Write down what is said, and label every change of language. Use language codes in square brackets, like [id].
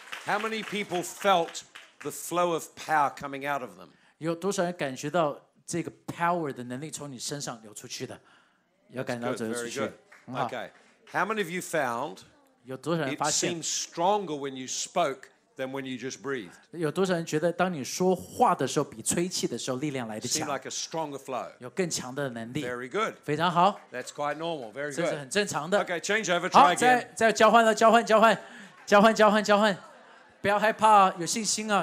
[en] How many people felt the flow of power coming out of them? [zh] 有多少人感觉到这个 power 的能力从你身上流出去的？有感到流出去。 [en] Very good. Okay. How many of you found? [zh] 有多少人发现 [en] it seemed stronger when you spoke than when you just breathed? [zh] 有多少人觉得当你说话的时候比吹气的时候力量来得强 [en] ？Seemed like a stronger flow. [zh] 有更强的能力。 [en] Very good. [zh] 非常好。 [en] That's quite normal. Very good. [zh] 这是很正常的。 [en] Okay. Change over. Try again. [zh] 好，再交换了，交换，交换。交换，交换，交换，不要害怕，有信心啊！